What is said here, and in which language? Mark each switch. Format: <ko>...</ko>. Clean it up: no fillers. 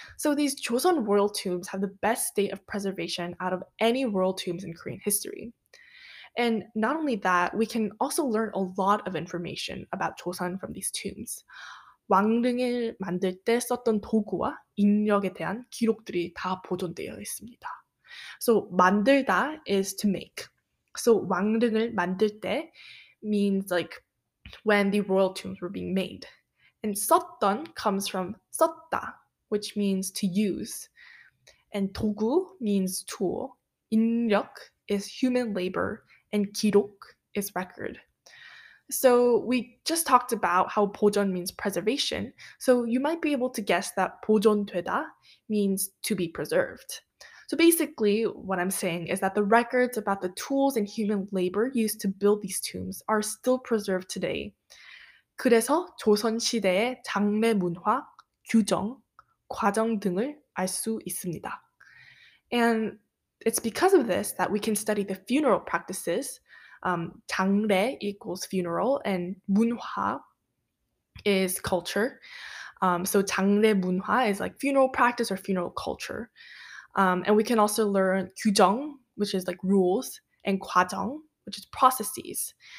<en>So these Joseon royal tombs have the best state of preservation out of any royal tombs in Korean history. And not only that, we can also learn a lot of information about Joseon from these tombs.</en> <ko>왕릉을 만들 때 썼던 도구와 인력에 대한 기록들이 다 보존되어 있습니다.</ko> <en>So 만들다 is to make. So</en> <ko>왕릉을 만들 때</ko> <en>means like when the royal tombs were being made. And 썼던 comes from 썼다, which means to use. And 도구 means tool. 인력 is human labor. And 기록 is record. So we just talked about how 보존 means preservation. So you might be able to guess that 보존되다 means to be preserved. So basically, what I'm saying is that the records about the tools and human labor used to build these tombs are still preserved today.</en> <ko>그래서 조선 시대의 장례 문화, 규정, 과정 등을 알 수 있습니다.</ko> <en>And it's because of this that we can study the funeral practices. 장례 equals funeral and 문화 is culture. So 장례 문화 is like funeral practice or funeral culture. And we can also learn 규정, which is like rules, and 과정, which is processes.</en>